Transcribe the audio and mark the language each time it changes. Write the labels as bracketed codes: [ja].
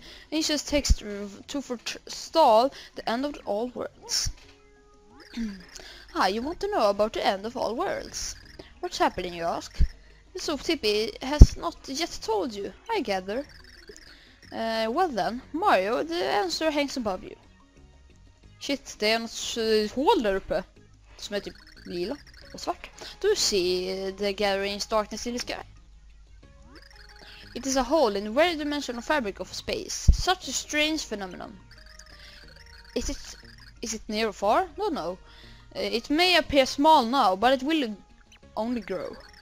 [en] He just takes to forestall the end of all worlds. Ah, you want to know about the end of all worlds? What's happening, you ask? The soap tippy has not yet told you, I gather. Well then, Mario, the answer hangs above you. [sv] Shit, det är något hål där uppe. Som är typ lila och svart. [en] Do you see the gathering darkness in the sky? It is a hole in the very dimensional fabric of space. Such a strange phenomenon. Is it near or far? No, no. It may appear small now, but it will only grow.